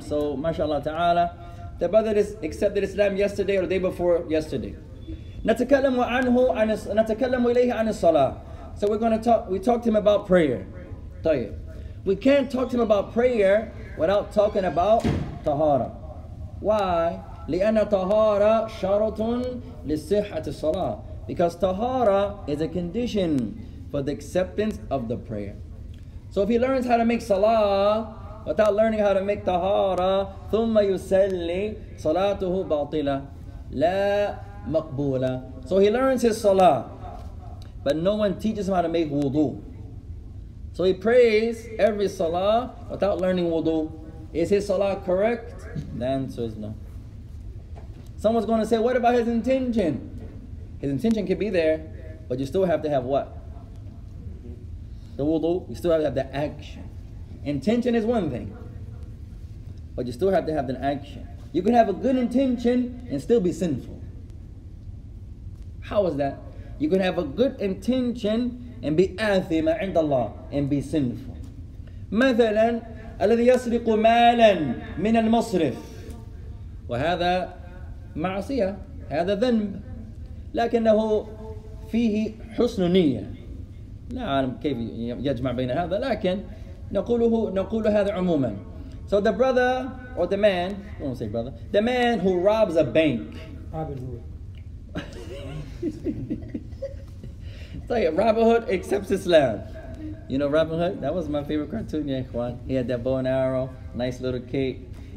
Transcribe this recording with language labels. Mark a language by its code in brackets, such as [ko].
[en] So, mashallah ta'ala, the brother is accepted Islam yesterday or the day before yesterday. [ar] نتكلم إليه عن الصلاة. [en] So we're going to talk, we talked to him about prayer. We can't talk to him about prayer without talking about tahara. Why? [ar] لأن طهارة شرط لصحة الصلاة. [en] Because tahara is a condition for the acceptance of the prayer. So if he learns how to make salah without learning how to make tahara, [ar] ثم يسلي صلاته باطلة لا مقبولة. [en] So he learns his salah, but no one teaches him how to make wudu. So he prays every salah without learning wudu. Is his salah correct? The answer is no. Someone's going to say, what about his intention? His intention could be there, but you still have to have what? The wudu. You still have to have the action. Intention is one thing, but you still have to have the action. You can have a good intention and still be sinful. How is that? You can have a good intention and be athima [ar] عند الله [en] and be sinful. [ar] مثلا الذي يسرق مالا من المصرف وهذا معصية هذا ذنب لكنه فيه حسن نية لا أعلم كيف يجمع بين هذا لكن نقول هذا عموما. [en] So the brother or the man, I won't say brother, the man who robs a bank. Robin Hood accepts Islam. You know Robin Hood? That was my favorite cartoon, yeah, Juan. He had that bow and arrow, nice little cape.